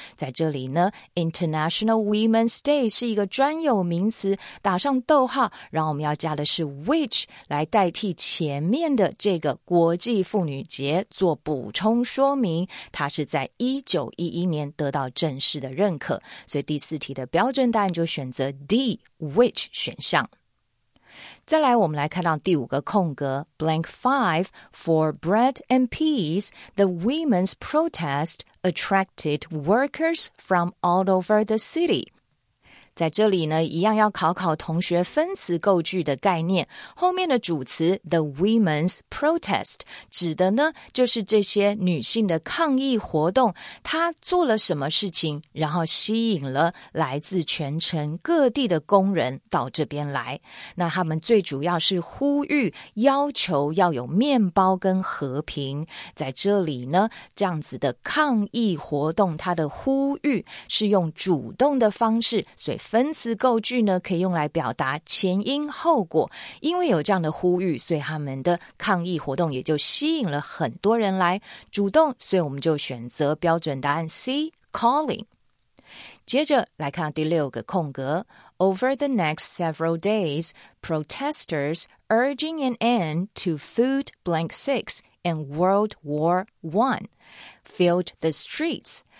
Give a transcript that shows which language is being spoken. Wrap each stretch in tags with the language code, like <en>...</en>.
<zh>在这里呢 ，International Women's Day 是一个专有名词，打上逗号，然后我们要加的是 which 来代替前面的这个国际妇女节做补充说明。它是在1911年得到正式的认可，所以第四题的标准答案就选择 D, which 选项。再来我们来看到第五个空格</zh> <en>blank 5 for bread and peas, the women's protest attracted workers from all over the city.</en> <zh>在这里呢，一样要考考同学分词构句的概念。后面的主词 the women's protest 指的呢，就是这些女性的抗议活动。她做了什么事情，然后吸引了来自全城各地的工人到这边来。那他们最主要是呼吁，要求要有面包跟和平。在这里呢，这样子的抗议活动，它的呼吁是用主动的方式，所以分词构句呢可以用来表达前因后果，因为有这样的呼吁，所以他们的抗议活动也就吸引了很多人来主动，所以我们就选择标准答案 C, calling。接着来看第六个空格</zh> <en>Over the next several days, protesters urging an end to food blank 6 and World War 1filled the streets.</en>